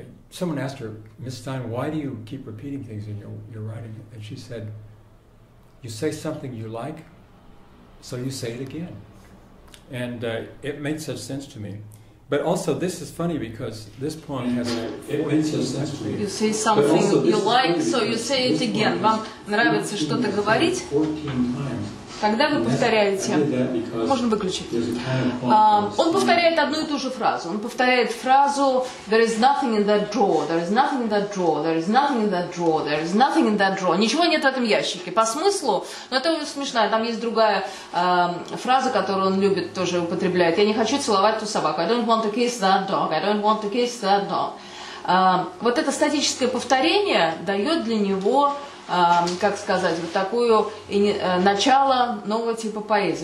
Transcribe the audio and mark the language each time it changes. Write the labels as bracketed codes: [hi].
[en] someone asked her, Miss Stein, why do you keep repeating things in your writing? And she said, you say something you like, so you say it again. And it made such sense to me. But also, this is funny because this poem has... It made such sense to me. You say something you like, so you say it again. [ru] Вам нравится что-то говорить? Когда вы повторяете... Можно выключить. Он повторяет одну и ту же фразу. Он повторяет фразу [en] «There is nothing in that drawer, there is nothing in that drawer, there is nothing in that drawer, there is nothing in that drawer». [ru] Ничего нет в этом ящике. По смыслу, но это смешно, там есть другая фраза, которую он любит тоже употреблять. «Я не хочу целовать ту собаку». [en] «I don't want to kiss that dog», «I don't want to kiss that dog». [ru] Вот это статическое повторение дает для него... как сказать, вот такое начало нового типа поэзии.